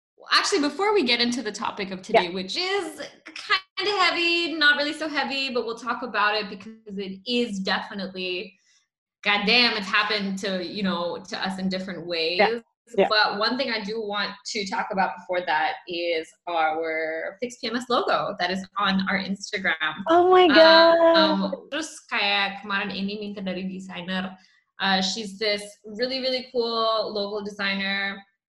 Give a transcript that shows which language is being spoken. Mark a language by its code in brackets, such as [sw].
[en] Actually, before we get into the topic of today, which is kind of heavy, not really so heavy, but we'll talk about it because it is definitely, goddamn, it's happened to, you know, to us in different ways. Yeah. But one thing I do want to talk about before that is our Fix PMS logo that is on our Instagram. Oh my God. [id] Terus kayak kemarin ini minta dari desainer. [en] She's this really, really cool local designer.